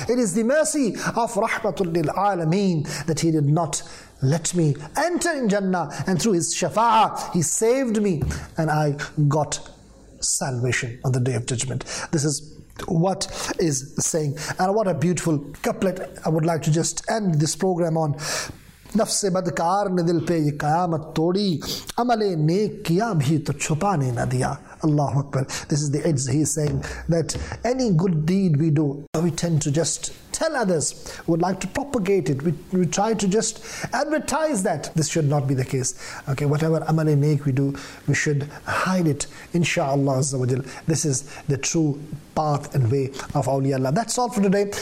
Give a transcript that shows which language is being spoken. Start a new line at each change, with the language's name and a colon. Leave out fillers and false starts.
English: It is the mercy of rahmat that he did not let me enter in Jannah, and through his shafa'ah he saved me and I got salvation on the Day of Judgment. This is what is saying. And what a beautiful couplet I would like to just end this program on.
Urdu: نفس بدکار نے دل پہ یہ قیامت توڑی, عمل نیک کیا بھی تو چھپانے نہ دیا.
English: Allahu Akbar. This is the edge he is saying, that any good deed we do, we tend to just tell others, we would like to propagate it, we try to just advertise that. This should not be the case. Okay, whatever amal nek we do, we should hide it. Inshallah Azza wa Jal, this is the true path and way of awliyaullah. That's all for today.